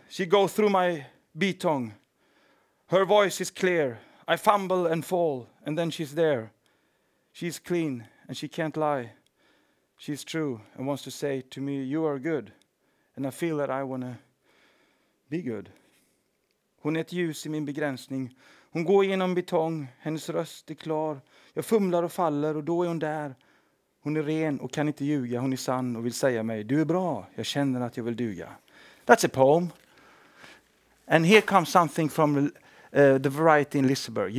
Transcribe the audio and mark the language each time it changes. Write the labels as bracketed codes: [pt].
[en] She goes through my bitong. Her voice is clear. I fumble and fall, and then she's there. She's clean, and she can't lie. She's true and wants to say to me, you are good. And I feel that I want to be good. [sv] Hon är ett ljus i min begränsning. Hon går genom betong. Hennes röst är klar. Jag fumlar och faller och då är hon där. Hon är ren och kan inte ljuga. Hon är sann och vill säga mig, du är bra. Jag känner att jag vill duga. [en] That's a poem. And here comes something from the variety in Liseberg.